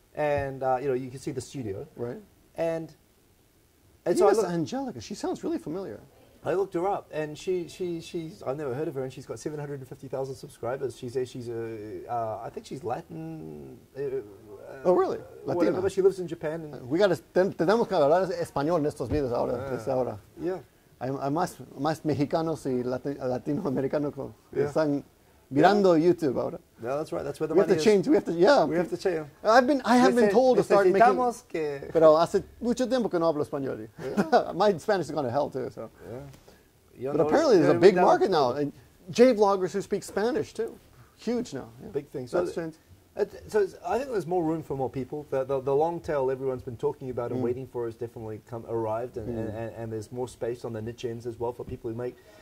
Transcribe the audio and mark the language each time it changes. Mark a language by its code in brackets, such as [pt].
[en] And, you can see the studio. Right. And Venus Angelic, she sounds really familiar. I looked her up, and she's I've never heard of her, and she's got 750,000 subscribers. I think she's Latin. Oh, really? Latina. Whatever, but she lives in Japan. And we got [es] tenemos que hablar español en estos videos ahora. [en] Yeah. I'm [es] más mexicanos y latinoamericanos están mirando YouTube ahora. [en] No, that's right. That's where the money is. We have to change. I have been told to start making... [es] Necesitamos que... Pero hace mucho tiempo que no hablo español. [en] Yeah. My Spanish is going to hell, too. So. Yeah. But apparently there's a big market now. And J-vloggers who speak Spanish, too. Huge now. Yeah. Big thing. So I think there's more room for more people. The long tail everyone's been talking about and waiting for has definitely arrived. And there's more space on the niche ends as well for people who make...